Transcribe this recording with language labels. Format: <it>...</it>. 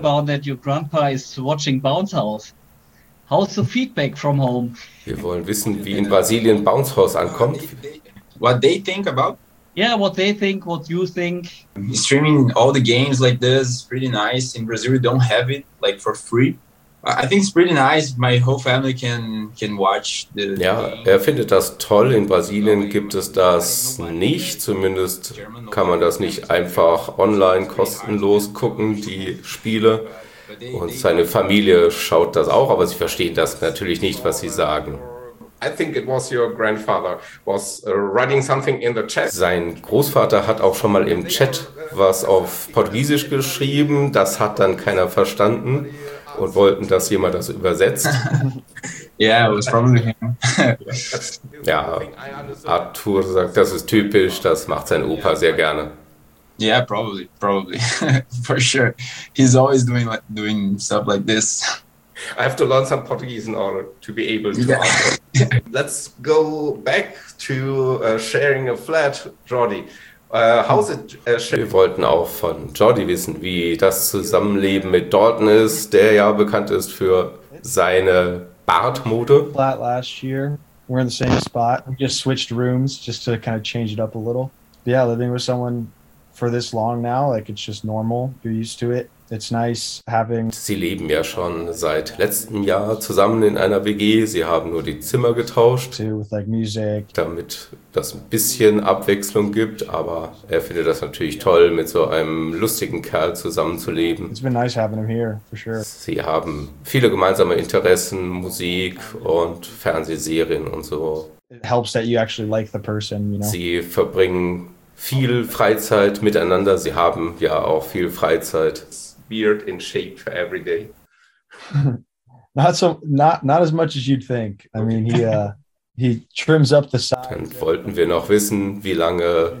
<en>About that your grandpa is watching Bounce House. How's the feedback from home?</en> <de>Wir wollen wissen, wie in Brasilien Bounce House ankommt.</de> <en>What they think about? Yeah, what they think, what you think. Streaming all the games like this is pretty nice. In Brazil, we don't have it like for free. I think it's pretty nice. My whole family can watch the</en> <de>game. Ja, er findet das toll. In Brasilien gibt es das nicht. Zumindest kann man das nicht einfach online kostenlos gucken, die Spiele. Und seine Familie schaut das auch, aber sie verstehen das natürlich nicht, was sie sagen.</de> <en>I think it was your grandfather was writing something in the chat.</en> <de>Sein Großvater hat auch schon mal im Chat was auf Portugiesisch geschrieben. Das hat dann keiner verstanden und wollten, dass jemand das übersetzt.</de> <en>Yeah, it was probably him.</en> <de>Ja, Arthur sagt, das ist typisch, das macht sein Opa sehr gerne.</de> <en>Yeah, probably. For sure. He's always doing stuff like this. I have to learn some Portuguese in order to be able to answer. Let's go back to sharing a flat, Jordi. How's it sharing?</en> <de>Wir wollten auch von Jordi wissen, wie das Zusammenleben mit Dalton ist, der ja bekannt ist für seine Bartmode.</de> <en>Flat last year. We're in the same spot. We just switched rooms just to kind of change it up a little. But yeah, living with someone for this long now, like it's just normal. You're used to it. It's nice having.</en> <de>Sie leben ja schon seit letztem Jahr zusammen in einer WG. Sie haben nur die Zimmer getauscht, damit das ein bisschen Abwechslung gibt. Aber er findet das natürlich toll, mit so einem lustigen Kerl zusammenzuleben.</de> <en>It's been nice having him here, for sure.</en> <de>Sie haben viele gemeinsame Interessen, Musik und Fernsehserien und so.</de> <en>It helps that you actually like the person, you know?</en> <de>Sie verbringen viel Freizeit miteinander. Sie haben ja auch viel Freizeit.</de> <en>Beard in shape every day. Not as much as you'd think. I mean, he trims up the size.</en> <de>Dann wollten wir noch wissen, wie lange</de>